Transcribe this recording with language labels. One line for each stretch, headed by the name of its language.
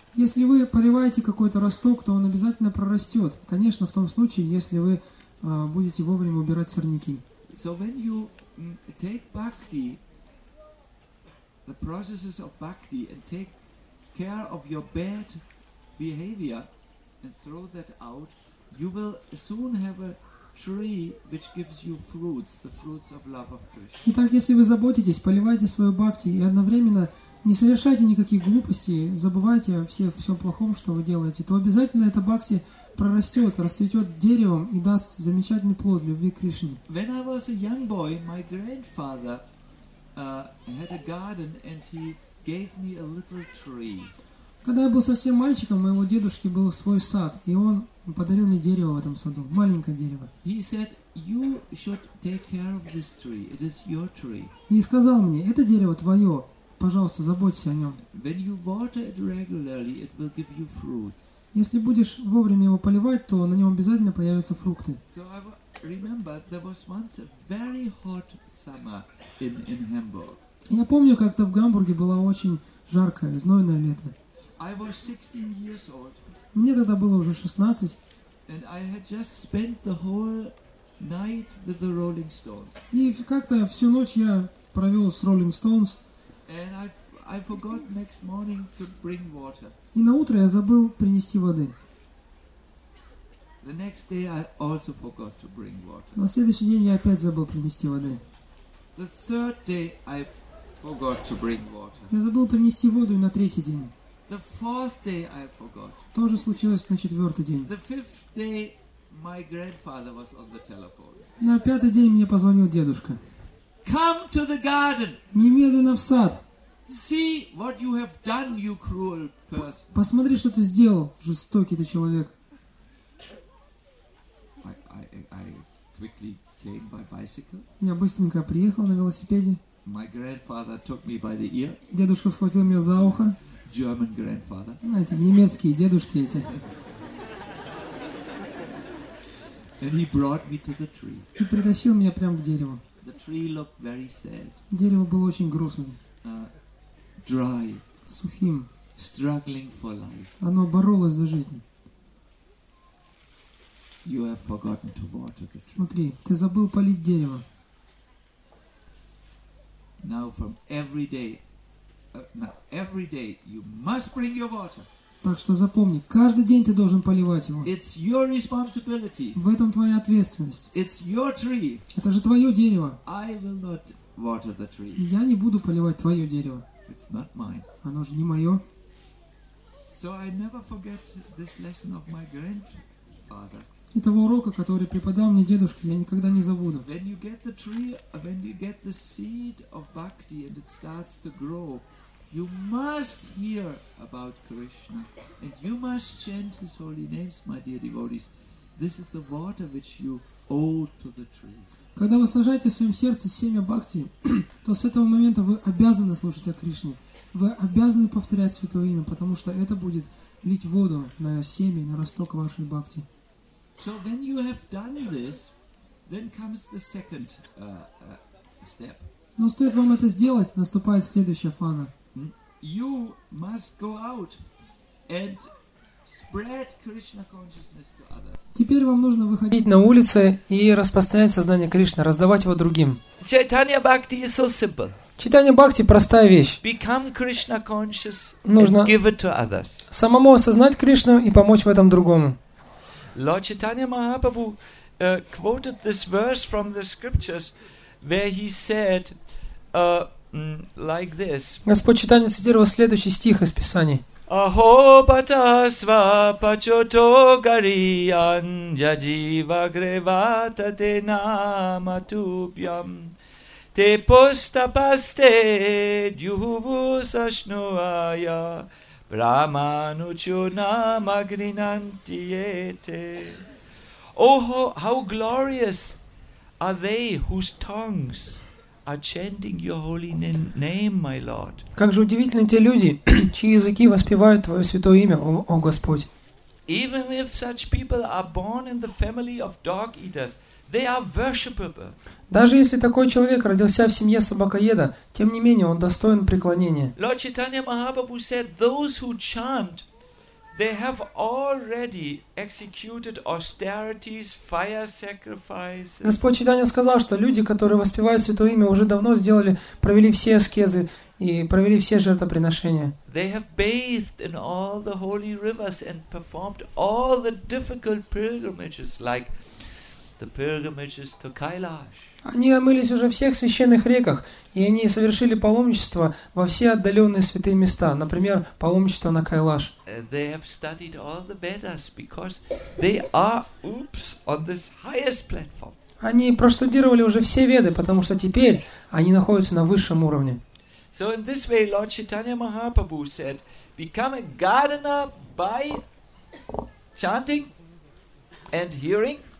Russian: Если вы поливаете какой-то росток, то он обязательно прорастет. Конечно, в том случае, если вы будете вовремя убирать сорняки.
English: So when you take bhakti, the processes of bhakti, and take care of your bad behavior and throw that out, you will soon have a tree which gives you fruits, the fruits of love of Krishna.
Russian: Итак, если вы заботитесь, поливайте свою бхакти и одновременно не совершайте никаких глупостей, забывайте о всем плохом, что вы делаете, то обязательно эта бхакти прорастет, расцветет деревом и даст замечательный плод любви к Кришне.
English: When I was a young boy, my grandfather had a garden and he gave me a little tree.
Russian: Когда я был совсем мальчиком, у моего дедушки был свой сад, и он подарил мне дерево в этом саду, маленькое дерево.
English: He said, you should take care of this tree. It is your tree.
Russian: И сказал мне, это дерево твое. Пожалуйста, заботься о нем.
English: When you water it regularly, it will give you fruits.
Russian: Если будешь вовремя его поливать, то на нем обязательно появятся фрукты.
English: So I remember there was once a very hot summer in Hamburg.
Russian: Я помню, как-то в Гамбурге было очень жаркое, знойное лето.
English: I was 16 years old.
Russian: Мне тогда было уже 16.
English: And I had just spent the whole night with the Rolling Stones.
Russian: И как-то всю ночь я провел с Rolling Stones.
English: And I forgot next morning to bring water.
Russian: И на утро я забыл принести воды.
English: The next day I also forgot to bring water.
Russian: На следующий день я опять забыл принести воды.
English: The third day I forgot to bring water.
Russian: Я забыл принести воду и на третий день.
English: The fourth day I forgot.
Russian: Тоже случилось на четвертый день.
English: The fifth day my grandfather was on the telephone.
Russian: На пятый день мне позвонил дедушка.
English: Come to the garden.
Russian: Немедленно в сад.
English: See what you have done, you cruel person.
Russian: Посмотри, что ты сделал, жестокий ты человек.
English: I quickly came by bicycle.
Russian: Я быстренько приехал на велосипеде.
English: My grandfather took me by the ear.
Russian: Дедушка схватил меня за ухо.
English: German grandfather.
Russian: Знаете, немецкие дедушки эти.
English: And he brought me to the tree.
Russian: И притащил меня прямо к дереву.
English: The tree looked very sad.
Russian: Дерево было очень грустным.
English: Dry.
Russian: Сухим.
English: Struggling for life.
Russian: Оно боролось за жизнь.
English: You have forgotten to water this.
Russian: Смотри, ты забыл полить дерево.
English: Now from every day, every day you must bring your water.
Russian: Так что запомни, каждый день ты должен поливать его.
English: It's your responsibility.
Russian: В этом твоя ответственность.
English: It's your tree.
Russian: Это же твое дерево.
English: I will not water the tree.
Russian: Я не буду поливать твое дерево.
English: It's not mine.
Russian: Оно же не мое.
English: So I never forget this lesson of my grandfather.
Russian: И того урока, который преподал мне дедушка, я никогда не забуду.
English: When you get the tree, when you get the seed of bhakti and it starts to grow, you must hear about Krishna and you must chant his holy names, my dear devotees. This is the water which you owe to the tree.
Russian: Когда вы сажаете в своем сердце семя бхакти, то с этого момента вы обязаны слушать о Кришне. Вы обязаны повторять святое имя, потому что это будет лить воду на семя, на росток вашей бхакти.
English: So when you have done this, then comes the second step.
Russian: Но стоит вам это сделать, наступает следующая фаза.
English: You must go out and spread Krishna consciousness to others.
Russian: Теперь вам нужно выходить на улицы и распространять сознание Кришны, раздавать его другим.
English: Chaitanya Bhakti is so simple.
Russian: Читание бхакти – простая вещь.
English: Become Krishna conscious.
Russian: Нужно
English: and give it to others.
Russian: Самому осознать Кришну и помочь в этом другому.
English: Lord Chaitanya Mahaprabhu quoted this verse from the scriptures where he said like this.
Russian: Господь Читания цитировал следующий стих из Писаний.
Sanskrit: Aho patasva pachoto gariyan jajiva grevata te nama tupyam te postapaste dyuhuvu sashnuaya Brahmanuchunamagrinantiete.
English: Oh, how glorious are they whose tongues are chanting your holy name, my Lord.
Russian: Как же удивительны те люди, чьи языки воспевают твое святое имя, о Господь.
English: Even if such people are born in the family of dog eaters, they are worshipable.
Russian: Даже если такой человек родился в семье собакоеда, тем не менее он достоин преклонения.
English: Lord Chaitanya Mahaprabhu said, those who chant, they have already executed austerities, fire sacrifices.
Russian: Господь Читания сказал, что люди, которые воспевают Святое Имя, уже давно сделали, провели все аскезы и провели все жертвоприношения.
English: They have bathed in all the holy rivers and performed all the difficult pilgrimages, like the pilgrimages to Kailash.
Russian: Они омылись уже в всех священных реках, и они совершили паломничество во все отдаленные святые места, например, паломничество на Кайлаш.
English: They have studied all the Vedas because they are, oops, on this highest platform.
Russian: Они проштудировали уже все Веды, потому что теперь они находятся на высшем уровне.
English: So in this way, Lord Chaitanya Mahaprabhu said, become a gardener by chanting and hearing.